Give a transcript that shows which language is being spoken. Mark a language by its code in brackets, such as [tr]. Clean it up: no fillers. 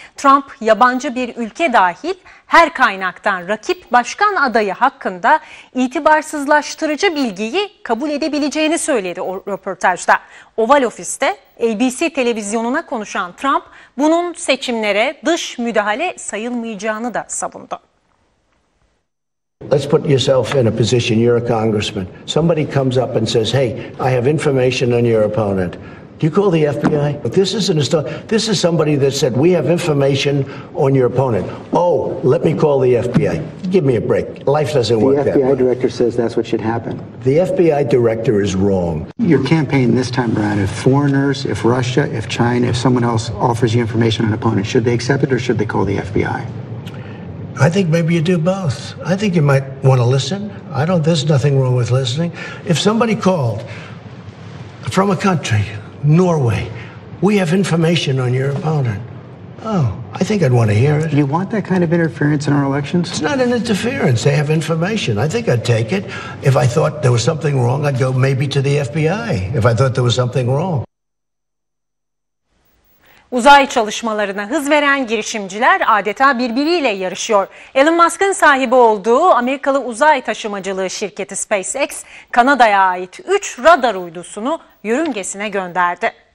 [tr] Trump, yabancı bir ülke dahil her kaynaktan rakip başkan adayı hakkında itibarsızlaştırıcı bilgiyi kabul edebileceğini söyledi o röportajda. Oval Ofis'te ABC televizyonuna konuşan Trump, bunun seçimlere dış müdahale sayılmayacağını da savundu. [en] Let's put yourself in a position, you're a congressman. Somebody comes up and says, hey, I have information on your opponent. Do you call the FBI? This is somebody that said, we have information on your opponent. Oh, let me call the FBI. Give me a break. Life doesn't work that way. The FBI director says that's what should happen. The FBI director is wrong. Your campaign this time around, if foreigners, if Russia, if China, if someone else offers you information on an opponent, should they accept it or should they call the FBI? I think maybe you do both. I think you might want to listen. There's nothing wrong with listening. If somebody called from a country, Norway, we have information on your opponent. Oh, I think I'd want to hear it. You want that kind of interference in our elections? It's not an interference. They have information. I think I'd take it. If I thought there was something wrong, I'd go maybe to the FBI. If I thought there was something wrong. [tr] Uzay çalışmalarına hız veren girişimciler adeta birbiriyle yarışıyor. Elon Musk'ın sahibi olduğu Amerikalı uzay taşımacılığı şirketi SpaceX, Kanada'ya ait 3 radar uydusunu yörüngesine gönderdi.